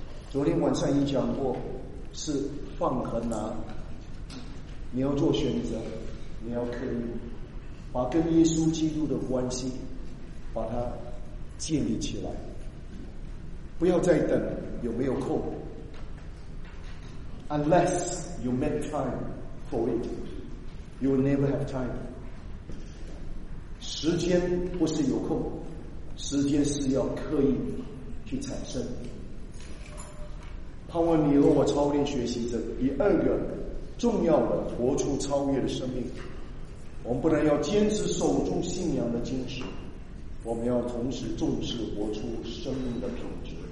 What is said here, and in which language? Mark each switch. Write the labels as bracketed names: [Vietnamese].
[Chinese] 昨天晚上已讲过，是放和拿，你要做选择，你要刻意把跟耶稣基督的关系把它建立起来，不要再等有没有空。 [English] Unless you make time for it, you will never have time。 [Chinese] 时间不是有空，时间是要刻意去产生。盼望你和我操练学习这第二个重要的活出超越的生命。我们不但要坚持守住信仰的精神，我们要同时重视活出生命的品质。